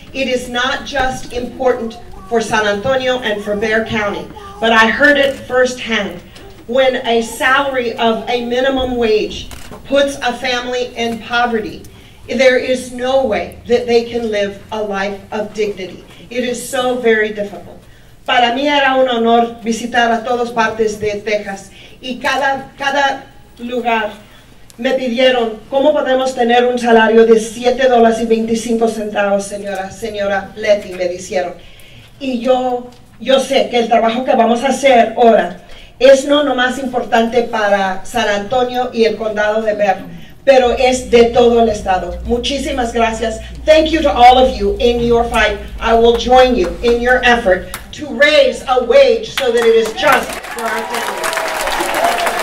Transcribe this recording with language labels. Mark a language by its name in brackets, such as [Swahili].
[English] It is not just important for San Antonio and for Bexar County, but I heard it firsthand. When a salary of a minimum wage puts a family in poverty, there is no way that they can live a life of dignity. It is so very difficult. [Spanish] Para mí era un honor visitar a todas partes de Texas y cada lugar me pidieron cómo podemos tener un salario de $7.25, señora Leti, me dijeron. Y yo sé que el trabajo que vamos a hacer ahora es no lo más importante para San Antonio y el condado de Bexar, pero es de todo el estado. Muchísimas gracias. [English] Thank you to all of you in your fight. I will join you in your effort to raise a wage so that it is just for our family.